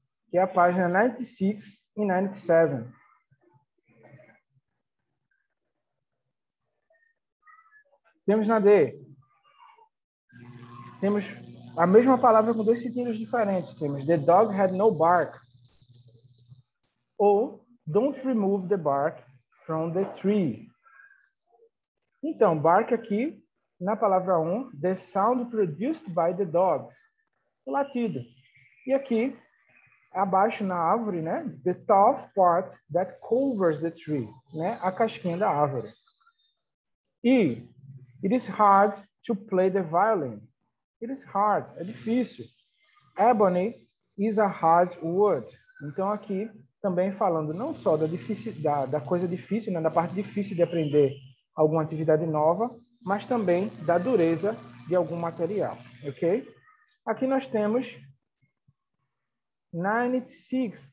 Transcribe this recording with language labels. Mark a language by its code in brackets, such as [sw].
[pt] Que é a página 96 e 97. Temos na D. Temos a mesma palavra com dois sentidos diferentes. [en] Temos the dog had no bark. Ou don't remove the bark from the tree. [pt] Então, bark aqui, na palavra 1, [en] the sound produced by the dogs. [pt] O latido. E aqui, abaixo na árvore, né? [en] The tough part that covers the tree. [pt] Né? A casquinha da árvore. [en] E it is hard to play the violin. It is hard. [pt] É difícil. [en] Ebony is a hard wood. [pt] Então, aqui, também falando não só da dificuldade, da coisa difícil, né? Da parte difícil de aprender alguma atividade nova, mas também da dureza de algum material. Ok? Aqui nós temos 96.